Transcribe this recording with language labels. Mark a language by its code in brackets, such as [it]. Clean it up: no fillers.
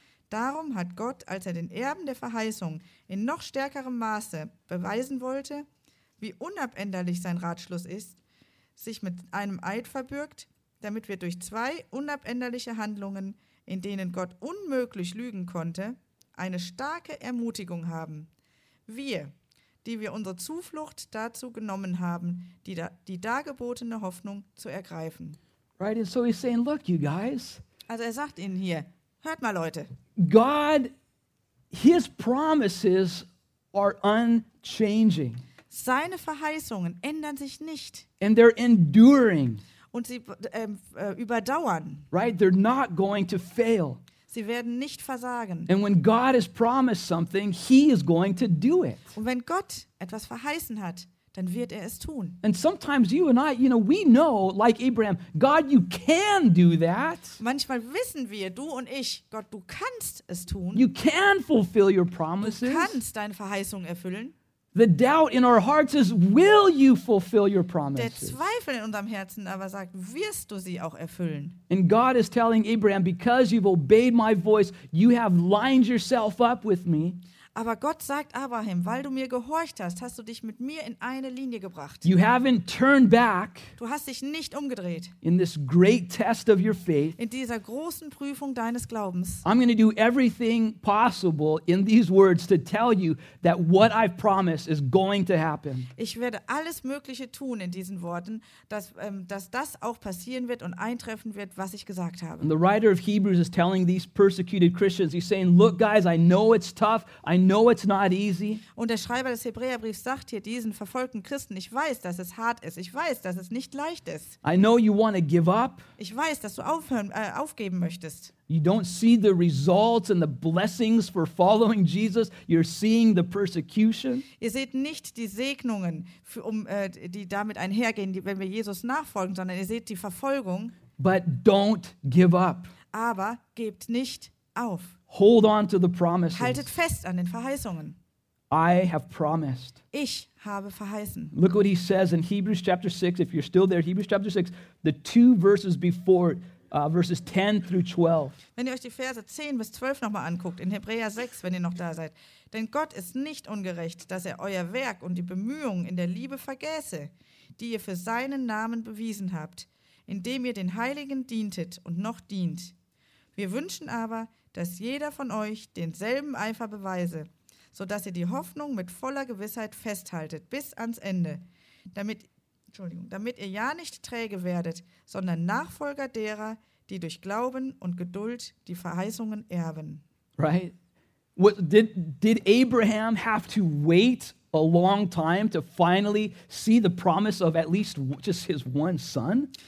[de] Darum hat Gott, als er den Erben der Verheißung in noch stärkerem Maße beweisen wollte, wie unabänderlich sein Ratschluss ist, sich mit einem Eid verbürgt, damit wir durch zwei unabänderliche Handlungen, in denen Gott unmöglich lügen konnte, eine starke Ermutigung haben. Wir, die wir unsere Zuflucht dazu genommen haben, die dargebotene Hoffnung zu ergreifen. [en] Right, and so he's saying, look, you guys. [de] Also er sagt ihnen hier, hört mal Leute. [en] God, his promises are unchanging. [de] Seine Verheißungen ändern sich nicht. [en] And they're enduring. [de] Und sie überdauern. [en] Right, they're not going to fail. [de] Sie werden nicht versagen. [en] And when God has promised something, he is going to do it. [de] Und wenn Gott etwas verheißen hat, dann wird er es tun. [en] And sometimes you and I, you know, we know, like Abraham, God, you can do that. [de] Manchmal wissen wir, du und ich, Gott, du kannst es tun. [en] You can fulfill your promises. [de] Du kannst deine Verheißung erfüllen. [en] The doubt in our hearts is, will you fulfill your promises? [de] Der Zweifel in unserem Herzen aber sagt, wirst du sie auch erfüllen? [en] And God is telling Abraham, because you've obeyed my voice, you have lined yourself up with me. [de] Aber Gott sagt Abraham, weil du mir gehorcht hast, hast du dich mit mir in eine Linie gebracht. [en] You haven't turned back. [de] Du hast dich nicht umgedreht. [en] In this great test of your faith. [de] In dieser großen Prüfung deines Glaubens. [en] I'm going to do everything possible in these words to tell you that what I've promised is going to happen. [de] Ich werde alles Mögliche tun in diesen Worten, dass das auch passieren wird und eintreffen wird, was ich gesagt habe. [en] And the writer of Hebrews is telling these persecuted Christians, he's saying, look guys, I know it's tough. I know it's not easy. [de] Und der Schreiber des Hebräerbriefs sagt hier diesen verfolgten Christen, ich weiß, dass es hart ist. Ich weiß, dass es nicht leicht ist. [en] I know you want to give up. [de] Ich weiß, dass du aufgeben möchtest. [en] You don't see the results and the blessings for following Jesus. You're seeing the persecution. [de] Ihr seht nicht die Segnungen, die damit einhergehen, wenn wir Jesus nachfolgen, sondern ihr seht die Verfolgung. [en] But don't give up. [de] Aber gebt nicht auf. [en] Hold on to the promises. [de] Haltet fest an den Verheißungen. [en] I have promised. [de] Ich habe verheißen. [en] Look what he says in Hebrews chapter 6. If you're still there, Hebrews chapter 6, the two verses before, verses 10 through 12. [de] Wenn ihr euch die Verse 10 bis 12 nochmal anguckt, in Hebräer 6, wenn ihr noch da seid. Denn Gott ist nicht ungerecht, dass er euer Werk und die Bemühungen in der Liebe vergäße, die ihr für seinen Namen bewiesen habt, indem ihr den Heiligen dientet und noch dient. Wir wünschen aber, dass jeder von euch denselben Eifer beweise, sodass ihr die Hoffnung mit voller Gewissheit festhaltet bis ans Ende, damit ihr ja nicht träge werdet, sondern Nachfolger derer, die durch Glauben und Geduld die Verheißungen erben. [en] Right? What, did Abraham have to wait a long time to finally see the promise of at least just his one son?